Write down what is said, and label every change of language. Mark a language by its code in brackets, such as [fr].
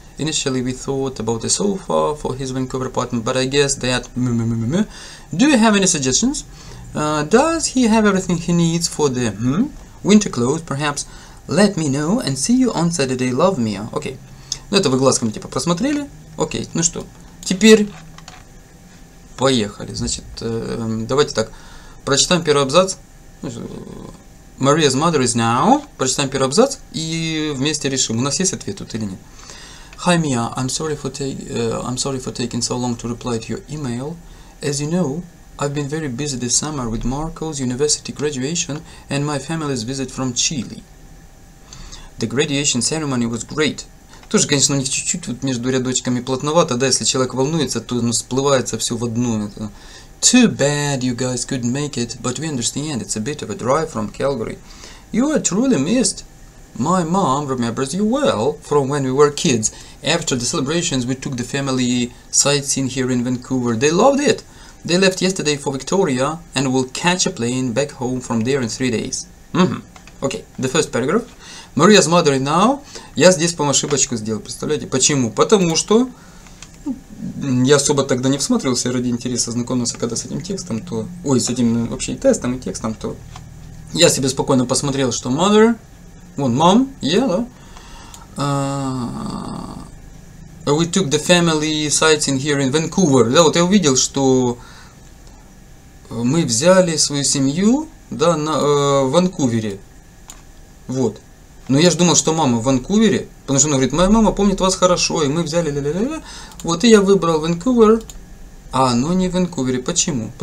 [en] Initially, we thought about a sofa for his Vancouver apartment, but I guess that... Do you have any suggestions? Does he have everything he needs for the winter clothes, perhaps? Let me know and see you on Saturday. Love, Mia. Okay. [ru] Ну, это вы глазками типа просмотрели. Окей, ну что, теперь поехали. Значит, давайте так, прочитаем первый абзац. [en] Maria's mother is now. [ru] Прочитаем первый абзац и вместе решим, у нас есть ответ тут или нет. [en] Hi Mia, I'm sorry for taking so long to reply to your email. As you know, I've been very busy this summer with Marco's university graduation and my family's visit from Chile. The graduation ceremony was great. [ru] Тоже, конечно, у них чуть-чуть вот между рядочками плотновато, да, если человек волнуется, то ну, сплывается все в одну. [en] Too bad you guys couldn't make it, but we understand it's a bit of a drive from Calgary. You are truly missed. My mom remembers you well from when we were kids. After the celebrations, we took the family sightseeing here in Vancouver. They loved it. They left yesterday for Victoria and will catch a plane back home from there in 3 days. Mm-hmm. Okay, the first paragraph. Maria's mother now. [ru] Я здесь, по-моему, ошибочку сделал, представляете? Почему? Потому что... Я особо тогда не всматривался, ради интереса знакомился когда с этим текстом, то... Ой, с этим вообще и тестом, и текстом, то... Я себе спокойно посмотрел, что mother... Вон, mom, yeah, да? [en] We took the family sightseeing here in Vancouver. [ru] Да, вот я увидел, что мы взяли свою семью, да, на, в Ванкувере. Вот. Но я же думал, что мама в Ванкувере, потому что она говорит, моя мама помнит вас хорошо, и мы взяли ля-ля-ля-ля. Вот, и я выбрал Ванкувер, а оно не в Ванкувере. Почему?